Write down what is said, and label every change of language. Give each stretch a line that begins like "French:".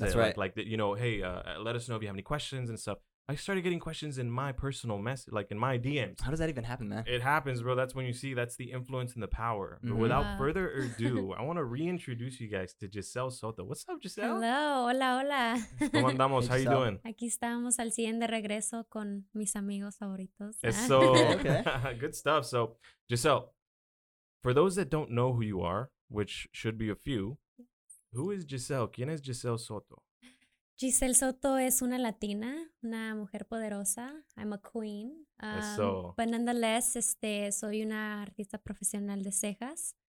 English: that's right. Like that, you know, hey, let us know if you have any questions and stuff. I started getting questions in my personal message, like in my DMs. How does that even happen, man? It happens, bro. That's when you see that's the influence and the power. But without further ado, I want to reintroduce you guys to Giselle Soto. What's up, Giselle?
Spanish: Hello. Hola, hola. ¿Cómo andamos?
English: Hey, how Giselle. You doing?
Spanish: Aquí estamos al 100 de regreso con mis amigos favoritos.
English: So, okay. Good stuff. So, Giselle, for those that don't know who you are, which should be a few, who is Giselle?
Spanish: ¿Quién es Giselle Soto? Giselle Soto es una latina, una mujer poderosa.
English: I'm a queen. But nonetheless,
Spanish: soy una artista profesional de cejas.